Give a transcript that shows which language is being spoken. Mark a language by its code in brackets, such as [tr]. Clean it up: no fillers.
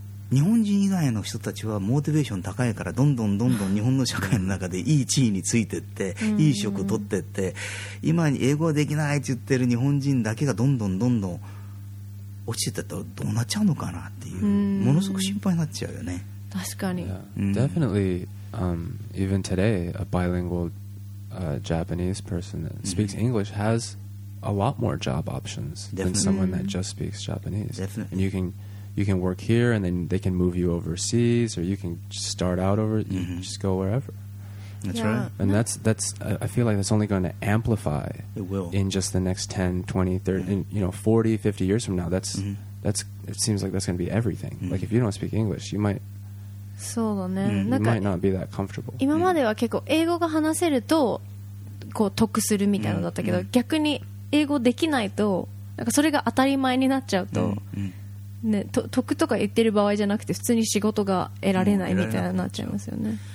[ja] 日本人以外の人たちはモチベーション高いからどんどんどんどん日本の社会の中でいい地位についてっていい職を取ってって今英語はできないって言ってる日本人だけがどんどんどんどん落ちてったらどうなっちゃうのかなっていうものすごく心配になっちゃうよね確かに、 [en] Definitely, even today a bilingual Japanese person that speaks English has a lot more job options than someone that just speaks Japanese Definitely. And you can work here and then they can move you overseas or you can start out over you mm-hmm. just go wherever that's yeah. right and that's I feel like that's only going to amplify it will in just the next 10 20 30 mm-hmm. in, you know 40 50 years from now that's mm-hmm. that's it seems like that's going to be everything mm-hmm. like if you don't speak English you might [ja] そうだね [en] mm-hmm. you might not be that comfortable [ja] 今までは結構英語が話せるとこう得するみたいなのだったけど、mm-hmm. 逆に英語できないとなんかそれが当たり前になっちゃうと、 mm-hmm. ね、得とか言ってる場合じゃなくて普通に仕事が得られないみたいになっちゃいますよね、